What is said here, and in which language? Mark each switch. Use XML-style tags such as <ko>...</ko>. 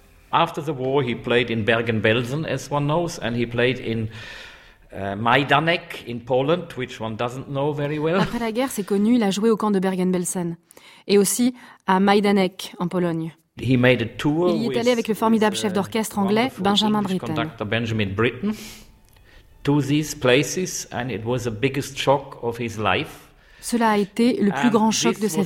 <en>After the war, he played in Bergen-Belsen, as one knows, and he played in Majdanek in Poland, which one doesn't know very well.</en> <fr>Après la guerre, c'est connu, il a joué au camp de Bergen-Belsen et aussi à Majdanek en Pologne.</fr> <en>He made a tour.</en> <fr>Il y est allé avec le formidable chef d'orchestre anglais Benjamin Britten.</fr> <en>Conductor Benjamin Britten to these places, and it was the biggest shock of his life.</en> <fr>Cela a été le plus grand choc de sa vie.</fr>